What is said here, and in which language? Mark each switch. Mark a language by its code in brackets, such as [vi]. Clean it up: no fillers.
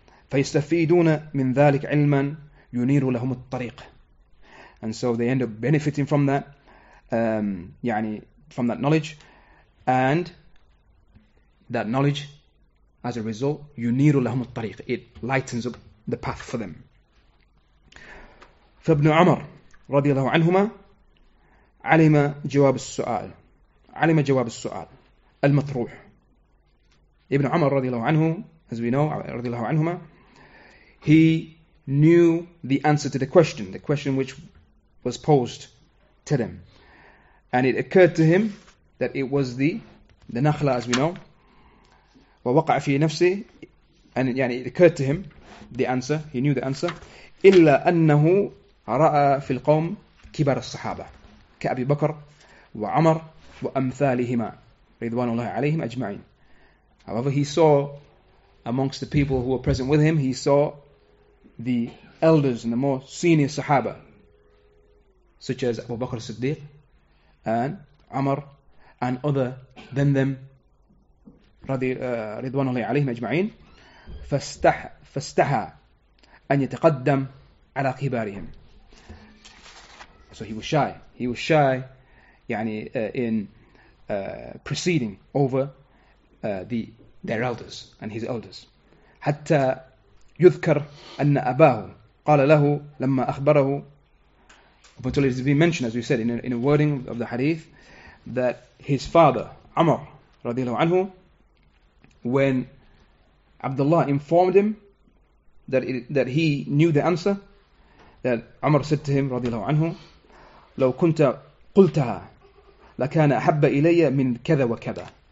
[ar] فَيَسْتَفِيدُونَ مِنْ ذَلِكَ عِلْمًا يُنِيرُ لَهُمُ الطَّرِيقَ. [en] And so they end up benefiting from that, yani from that knowledge, and that knowledge, as a result, [ar] yuniru lahum al-tariq, [en] it lightens up the path for them. [ar] فابن عمر رضي الله عنهما علم جواب السؤال علم جواب السؤال المطروح. [en] ابن عمر رضي الله عنه, as we know, رضي الله عنهما, he knew the answer to the question which was posed to them, and it occurred to him that it was the nakhla, as we know. [ar] ووقع في نفسه, [en] and يعني it occurred to him the answer, he knew the answer. [ar] إلا أنه رأى في القوم كبار الصحابة كأبي بكر وعمر وأمثالهما رضوان الله عليهم أجمعين. [en] However, he saw amongst the people who were present with him, he saw the elders and the more senior Sahaba, such as Abu Bakr al-Siddiq and Umar and other than them, رضوان الله عليهم أجمعين. [ar] فاستحى أن يتقدم على قبارهم. [en] So he was shy. He was shy, يعني in proceeding over their elders and his elders. [ar] حتى يذكر أن أباه قال له لما أخبره. [en] But it has been mentioned, as we said, in a wording of the hadith, that his father, Umar, radiallahu anhu, when Abdullah informed him that he knew the answer, that Umar said to him, radiallahu anhu, [ar] لو كنت قلتها لكان أحب إلي من كذا وكذا.